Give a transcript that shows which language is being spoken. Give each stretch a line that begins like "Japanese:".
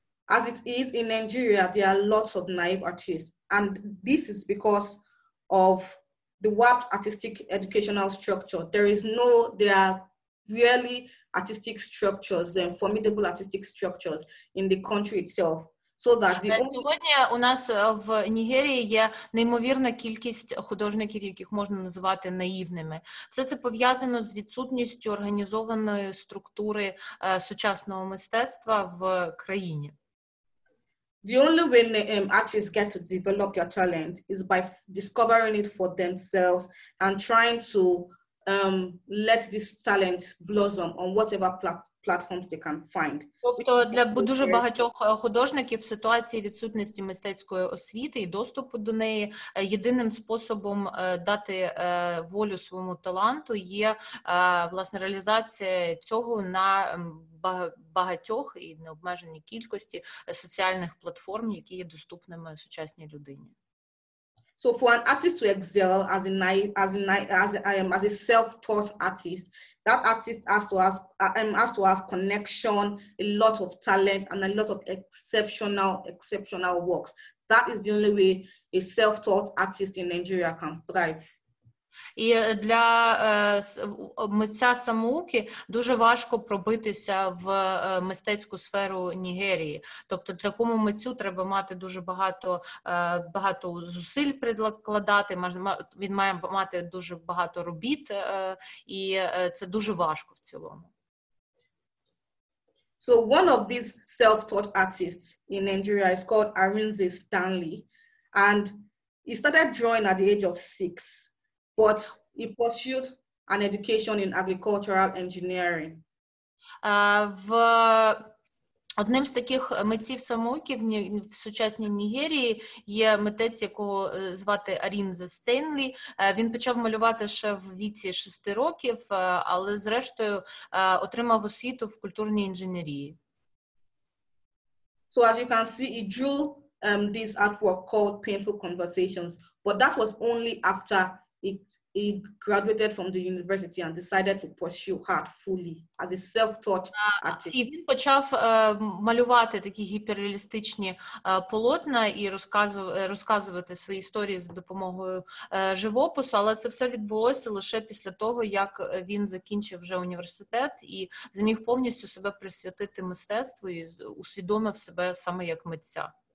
English: As it is in Nigeria, there are lots of naive artists, and this is because of the warped artistic educational structure. There are rarely artistic structures, formidable artistic structures in the country itself. So that the only...
Ukrainian: Сьогодні у нас в Нігерії є неймовірна кількість художників, яких можна називати наївними. Все це пов'язано з відсутністю організованої структури сучасного мистецтва в країні.
English: The only way artists get to develop their talent is by discovering it for themselves and trying to let this talent blossom on whatever platforms they can find.
Ukrainian: Тобто для дуже багатьох художників в ситуації відсутності мистецької освіти і доступу до неї єдиним способом дати волю своєму таланту є власне реалізація цього на багатьох і необмеженій кількості соціальних платформ, які є доступними сучасній людині.
English: So for an artist to excel as a naive, as a self-taught artist, that artist has to have connection, a lot of talent, and a lot of exceptional works. That is the only way a self-taught artist in Nigeria can thrive.
Ukrainian: І для митця самоуки дуже важко пробитися в мистецьку сферу Нігерії. Тобто такому митцю треба мати дуже багато зусиль прикладати, він має мати дуже багато робіт, і це дуже важко в цілому.
English: So one of these self-taught artists in Nigeria is called Arinze Stanley, and he started drawing at the age of 6. But he pursued an education in agricultural engineering.
Ukrainian: В одним з таких митців-самоуків в сучасній Нігерії є митець, якого звати Арінзе Стенлі. Він почав малювати ще в віці 6 років, але зрештою отримав освіту в культурній інженерії.
English: So as you can see, he drew this artwork called Painful Conversations, but that was only after he graduated from the university and decided to pursue art fully as a self-taught artist.
Ukrainian: І він почав малювати такі гіперреалістичні полотна і розказувати свої історії за допомогою живопису, але це все відбулося лише після того, як він закінчив вже університет і зміг повністю себе присвятити мистецтву і усвідомив себе саме як митця.